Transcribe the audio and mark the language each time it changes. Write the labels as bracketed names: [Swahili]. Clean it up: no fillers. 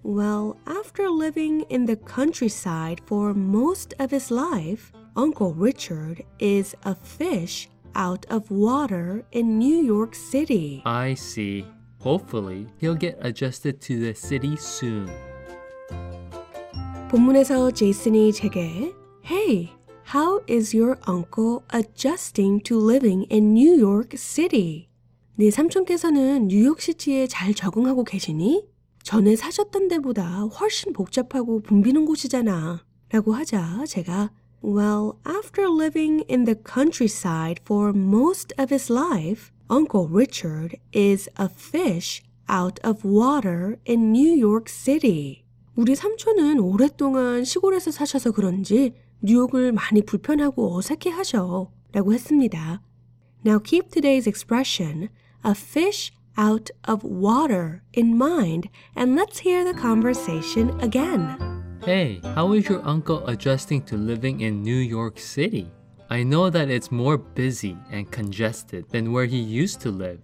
[English] Well, after living in the countryside for most of his life, Uncle Richard is a fish out of water in New York City. I see. Hopefully, he'll get adjusted to the city soon. [Korean] 본문에서 제이슨이 제게 [English] Hey, how is your uncle adjusting to living in New York City? [Korean] 네 삼촌께서는 뉴욕시티에 잘 적응하고 계시니? 전에 사셨던 데보다 훨씬 복잡하고 붐비는 곳이잖아. 라고 하자 제가 [English] Well, after living in the countryside for most of his life, Uncle Richard is a fish out of water in New York City. [Korean] 우리 삼촌은 오랫동안 시골에서 사셔서 그런지 뉴욕을 많이 불편하고 어색해하셔 라고 했습니다. [English] Now keep today's expression, a fish out of water in mind, and let's hear the conversation again. Hey, how is your uncle adjusting to living in New York City? I know that it's more busy and congested than where he used to live.